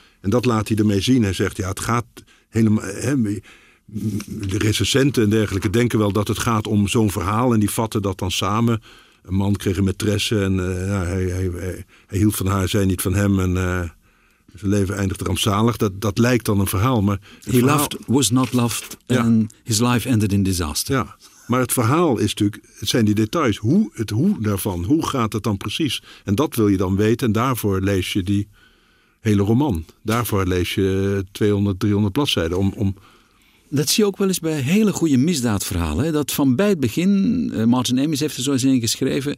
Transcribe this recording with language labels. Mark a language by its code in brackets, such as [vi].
[nl] En dat laat hij ermee zien. Hij zegt, ja, het gaat helemaal. Hè, de recensenten en dergelijke denken wel dat het gaat om zo'n verhaal. En die vatten dat dan samen. Een man kreeg een maîtresse en hij hield van haar, zij niet van hem. En zijn leven eindigt rampzalig. Dat lijkt dan een verhaal. Maar [en] loved, was not loved and his life ended in disaster. [nl] Ja, maar het verhaal is natuurlijk, het zijn die details. Hoe daarvan, hoe gaat het dan precies? En dat wil je dan weten en daarvoor lees je die hele roman. Daarvoor lees je 200, 300 bladzijden om... Dat zie je ook wel eens bij hele goede misdaadverhalen. Hè? Dat van bij het begin, Martin Amis heeft er zo eens in geschreven.